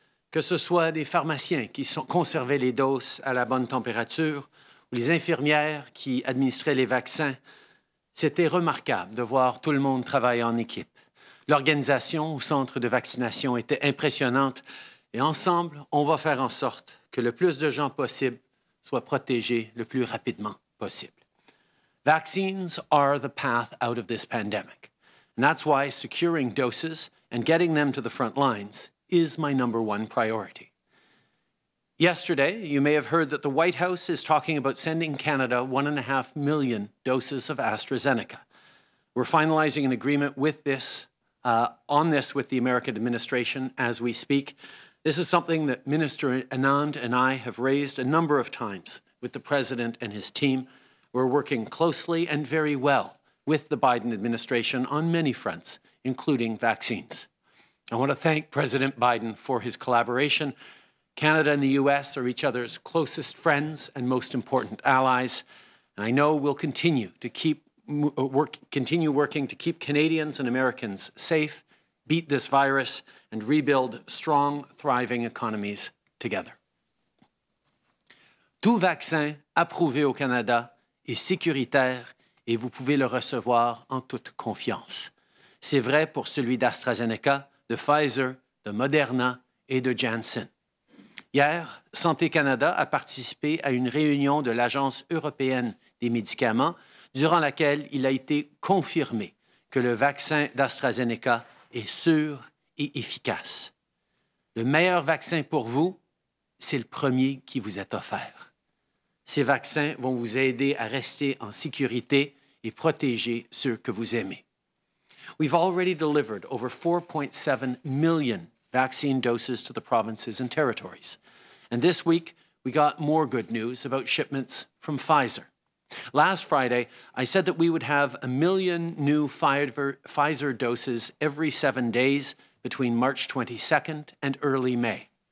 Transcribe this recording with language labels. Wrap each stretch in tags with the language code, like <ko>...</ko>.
<fr>Que ce soit des pharmaciens qui conservaient les doses à la bonne température ou les infirmières qui administraient les vaccins, c'était remarquable de voir tout le monde travailler en équipe. L'organisation au centre de vaccination était impressionnante et ensemble, on va faire en sorte que le plus de gens possible soit protégé le plus rapidement possible.</fr> <en>Vaccines are the path out of this pandemic. And that's why securing doses and getting them to the front lines is my number one priority. Yesterday, you may have heard that the White House is talking about sending Canada 1.5 million doses of AstraZeneca. We're finalizing an agreement with this, on this with the American administration as we speak. This is something that Minister Anand and I have raised a number of times with the President and his team. We're working closely and very well with the Biden administration on many fronts, including vaccines. I want to thank President Biden for his collaboration. Canada and the U.S. are each other's closest friends and most important allies. And I know we'll continue to continue working to keep Canadians and Americans safe, beat this virus, and rebuild strong, thriving economies together.</en> <fr>Tout vaccin approuvé au Canada est sécuritaire et vous pouvez le recevoir en toute confiance. C'est vrai pour celui d'AstraZeneca, de Pfizer, de Moderna et de Janssen. Hier, Santé Canada a participé à une réunion de l'Agence européenne des médicaments durant laquelle il a été confirmé que le vaccin d'AstraZeneca est sûr et efficace. Le meilleur vaccin pour vous, c'est le premier qui vous est offert. Ces vaccins vont vous aider à rester en sécurité et protéger ceux que vous aimez.</fr> <en>We've already delivered over 4.7 million vaccine doses to the provinces and territories. And this week, we got more good news about shipments from Pfizer. Last Friday, I said that we would have 1 million new Pfizer doses every 7 days between March 22nd and early May.</en>